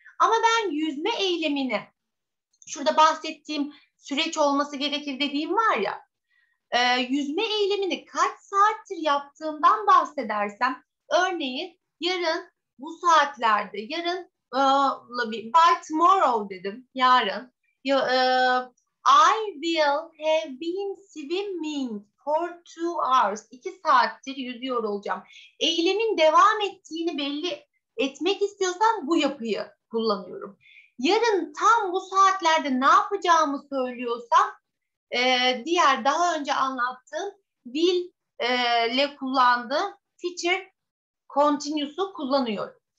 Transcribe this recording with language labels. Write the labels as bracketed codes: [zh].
[tr] Ama ben yüzme eylemini şurada bahsettiğim süreç olması gerekir dediğim var ya yüzme eylemini kaç saattir yaptığımdan bahsedersem örneğin yarın bu saatlerde yarın [en] by tomorrow [tr] dedim yarın. [en] I will have been swimming for 2 hours. [tr] 2 saattir yüzüyor olacağım. Eylemin devam ettiğini belli etmek istiyorsam bu yapıyı kullanıyorum. Yarın tam bu saatlerde ne yapacağımı söylüyorsam diğer daha önce anlattığım will ile kullandığım feature continuous'u kullanıyorum.